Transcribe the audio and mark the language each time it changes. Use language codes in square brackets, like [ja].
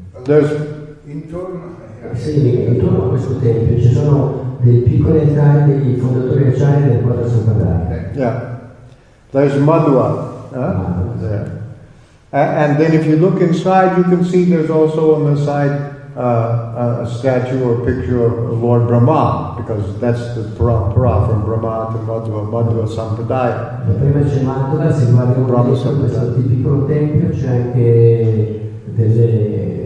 [it] Intorno a questo tempio ci sono dei piccoli altari dei fondatori acharya del quattro sampradaya. [en] Yeah, there's Madhva. There. And then if you look inside, you can see there's also on the side a statue or a picture of Lord Brahma, because that's the para from Brahma to Madhva sampradaya. [it] Prima c'è Madhva, se guardi un po' questo tipico tempio c'è anche delle